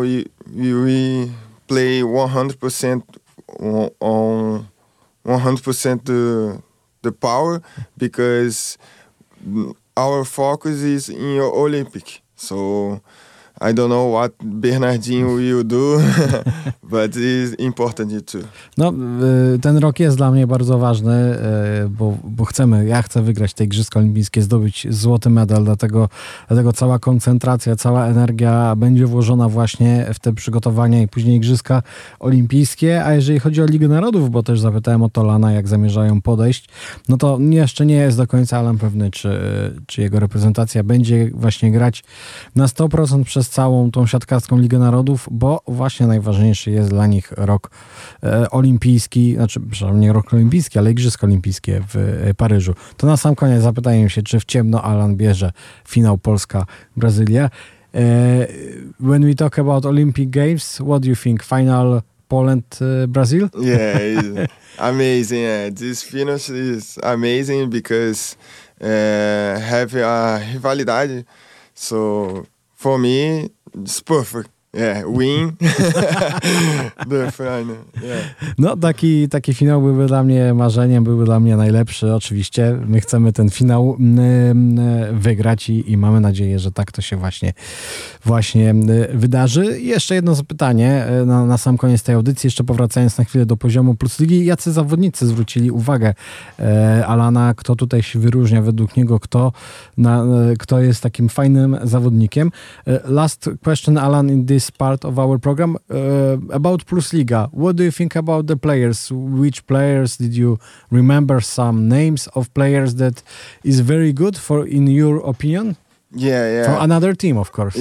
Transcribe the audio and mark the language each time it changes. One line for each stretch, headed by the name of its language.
English: We play 100% on 100% the power because our focus is in your Olympic. So I don't know what Bernardinho will do, but it's important too.
Polish: No, ten rok jest dla mnie bardzo ważny, bo chcemy, ja chcę wygrać te Igrzyska Olimpijskie, zdobyć złoty medal, dlatego cała koncentracja, cała energia będzie włożona właśnie w te przygotowania i później Igrzyska Olimpijskie. A jeżeli chodzi o Ligę Narodów, bo też zapytałem o Tolana, jak zamierzają podejść, no to jeszcze nie jest do końca Alan pewny, czy jego reprezentacja będzie właśnie grać na 100% przez całą tą siatkarską Ligę Narodów, bo właśnie najważniejszy jest dla nich rok olimpijski, znaczy, przepraszam, nie rok olimpijski, ale Igrzyska Olimpijskie w Paryżu. To na sam koniec zapytajmy się, czy w ciemno Alan bierze finał Polska-Brazylia.
English: When we talk about Olympic Games, what do you think? Final Poland, Brazil? Yeah, it's amazing. Yeah. This finish is amazing because have a rivalidade. So for me, it's perfect. Yeah, win. The final. Yeah.
Polish: No, taki finał byłby dla mnie marzeniem, byłby dla mnie najlepszy. Oczywiście my chcemy ten finał wygrać i mamy nadzieję, że tak to się właśnie wydarzy. I jeszcze jedno zapytanie na sam koniec tej audycji, jeszcze powracając na chwilę do poziomu Plus Ligi. Jacy zawodnicy zwrócili uwagę Alana? Kto tutaj się wyróżnia według niego? Kto jest takim fajnym zawodnikiem?
English: Last question, Alan, in this part of our program, about Plus Liga. What do you think about the players? Which players did you remember? Some names of players that is very good for, in your opinion? Yeah. For another team, of course.